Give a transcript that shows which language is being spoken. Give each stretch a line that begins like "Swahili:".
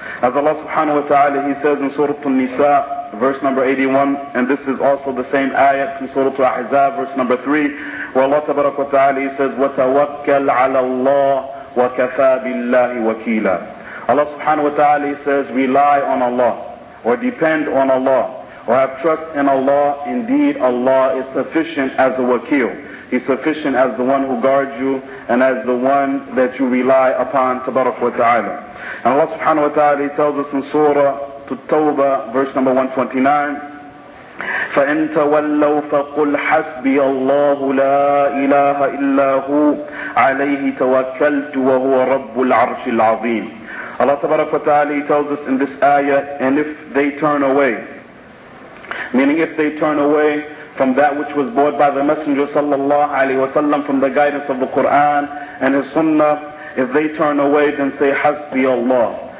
English: As Allah subhanahu wa ta'ala, He says in Surah An-Nisa, verse number 81, and this is also the same ayah from Surah Al-Ahzab, verse number 3, where Allah tabarak wa ta'ala, He says,
Arabic: وَتَوَكَّلْ عَلَى اللَّهِ وَكَفَى بِاللَّهِ وَكِيلًا.
English: Allah subhanahu wa ta'ala, He says, rely on Allah, or depend on Allah, or have trust in Allah. Indeed, Allah is sufficient as a wakil. He's sufficient as the one who guards you, and as the one that you rely upon, tabarak wa ta'ala. And Allah subhanahu wa ta'ala, He tells us in Surah At-Tawbah, verse number 129,
Arabic: فَإِن تَوَلَّوْا فَقُلْ حَسْبِيَ اللَّهُ لَا إِلَهَ إِلَّا هُوَ عَلَيْهِ تَوَكَّلْتُ وَهُوَ رَبُّ الْعَرْشِ الْعَظِيمِ.
English: Allah tabarak wa ta'ala, He tells us in this ayah, and if they turn away, meaning if they turn away from that which was brought by the Messenger sallallahu alayhi wa sallam, from the guidance of the Quran and His Sunnah, if they turn away, then say,
Arabic: حَسْبِيَ اللَّهُ.